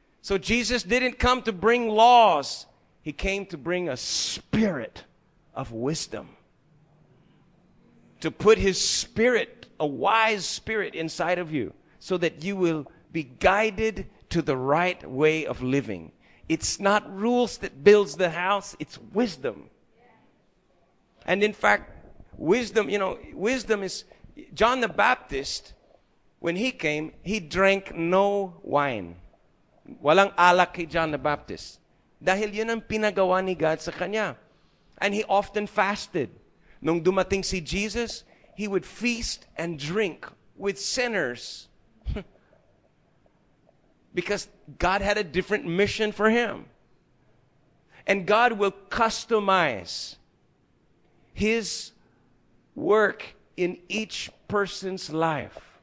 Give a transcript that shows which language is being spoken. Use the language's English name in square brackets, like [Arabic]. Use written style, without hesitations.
[English] So Jesus didn't come to bring laws. He came to bring a spirit of wisdom, to put His spirit, a wise spirit, inside of you so that you will be guided to the right way of living. It's not rules that builds the house, it's wisdom. And in fact, wisdom, you know, wisdom is, John the Baptist, when he came, he drank no wine. [Filipino] Walang alak kay John the Baptist. Dahil yun ang pinagawa ni God sa kanya. [English] And he often fasted. [Filipino] Nung dumating si Jesus, [English] he would feast and drink with sinners. Because God had a different mission for him. And God will customize His work in each person's life.